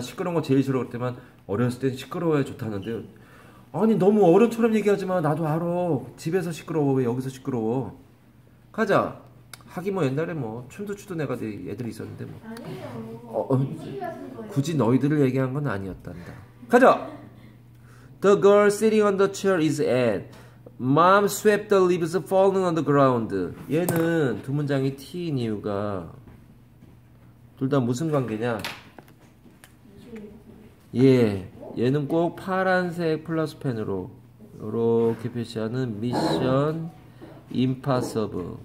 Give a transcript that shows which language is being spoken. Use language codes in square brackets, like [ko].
[ko] 시끄러운 거 제일 싫어할 때만. 어렸을 때는 시끄러워야 좋다는데요. 아니 너무 어른처럼 얘기하지 마. 나도 알아. 집에서 시끄러워. 왜 여기서 시끄러워? 가자. 하긴 뭐 옛날에 뭐 춤도 추던 애가 애들이 있었는데 뭐. 아니에요. 굳이 너희들을 얘기한 건 아니었단다. 가자. [en] The girl sitting on the chair is Ed. Mom swept the leaves falling on the ground. [ko] 얘는 두 문장이 T인 이유가 둘 다 무슨 관계냐? 예. 얘는 꼭 파란색 플러스 펜으로 이렇게 표시하는 미션 임파서블.